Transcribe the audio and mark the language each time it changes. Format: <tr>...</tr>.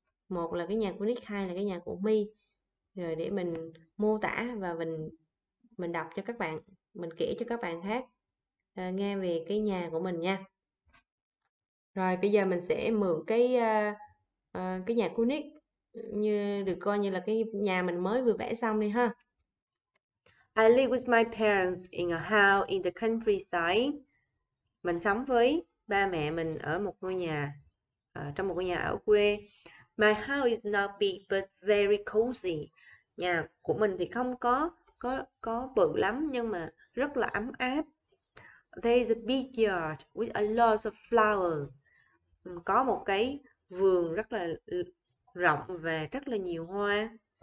<vi>Một là cái nhà của Nick, hai là cái nhà của My. Rồi để mình mô tả và mình đọc cho các bạn, mình kể cho các bạn khác nghe về cái nhà của mình nha. Rồi bây giờ mình sẽ mượn cái nhà của Nick như được coi như là cái nhà mình mới vừa vẽ xong đi ha.</vi> <en>I live with my parents in a house in the countryside.</en> <vi>Mình sống với ba mẹ mình ở một ngôi nhà, trong một ngôi nhà ở quê.</vi> <en>My house is not big but very cozy.</en> <vi>Nhà của mình thì không có bự lắm nhưng mà rất là ấm áp.</vi> <en>There is a big yard with a lot of flowers.</en> <vi>Có một cái vườn rất là rộng và rất là nhiều hoa.</vi>